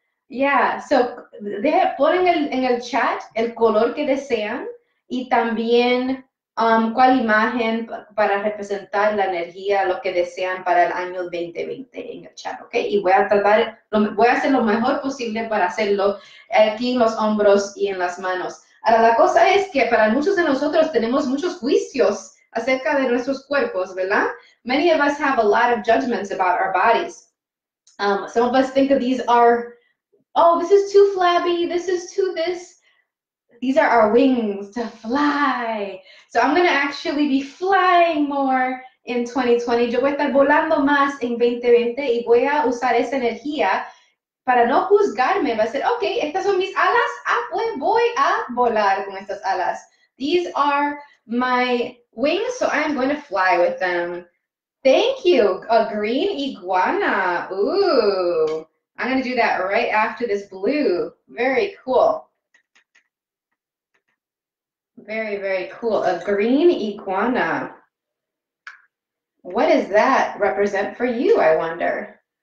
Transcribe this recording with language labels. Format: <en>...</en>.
<es>Yeah, so ponen en el chat el color que desean y también cuál imagen para representar la energía, lo que desean para el año 2020 en el chat, ¿ok? Y voy a tratar, voy a hacer lo mejor posible para hacerlo aquí en los hombros y en las manos. Ahora, la cosa es que para muchos de nosotros tenemos muchos juicios acerca de nuestros cuerpos, ¿verdad?</es> <en>Many of us have a lot of judgments about our bodies. Some of us think of these are, oh, this is too flabby, this is too this. These are our wings to fly. So I'm going to actually be flying more in 2020.</en> <es>Yo voy a estar volando más en 2020 y voy a usar esa energía para no juzgarme. Va a ser, ok, estas son mis alas. Ah, pues voy a volar con estas alas.</es> <en>These are my wings, so I am going to fly with them. Thank you. A green iguana. Ooh. I'm going to do that right after this blue. Very cool. Very, very cool. A green iguana. What does that represent for you, I wonder?</en>